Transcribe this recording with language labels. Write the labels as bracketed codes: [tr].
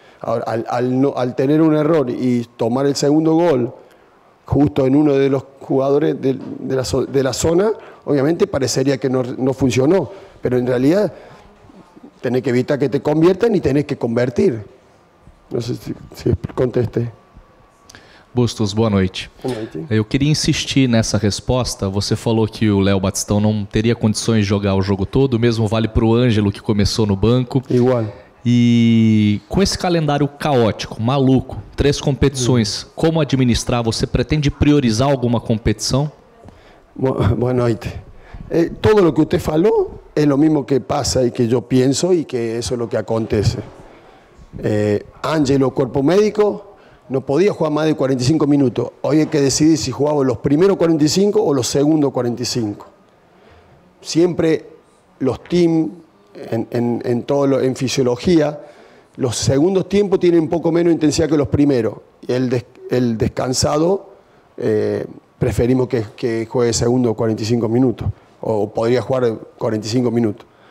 [es] Ahora, al tener un error y tomar el segundo gol justo en uno de los jugadores de la zona, obviamente parecería que no funcionó, pero en realidad tenés que evitar que te conviertan y tenés que convertir. No sé si contesté. [pt] Bustos, boa noite. Boa noite. Eu queria insistir nessa resposta. Você falou que o Léo Batistão não teria condições de jogar o jogo todo, o mesmo vale para o Ângelo, que começou no banco. Igual. E com esse calendário caótico, maluco, 3 competições, como administrar? Você pretende priorizar alguma competição? Boa noite. Tudo o que você falou é o mesmo que passa e que eu penso e que isso é o que acontece. Ângelo, corpo médico, não podia jogar mais de 45 minutos. Hoje é que decidi se jogava os primeiros 45 ou os segundos 45. Sempre os times... [es] En fisiología, los segundos tiempos tienen un poco menos intensidad que los primeros. El descansado, preferimos que juegue segundo 45 minutos, o podría jugar 45 minutos.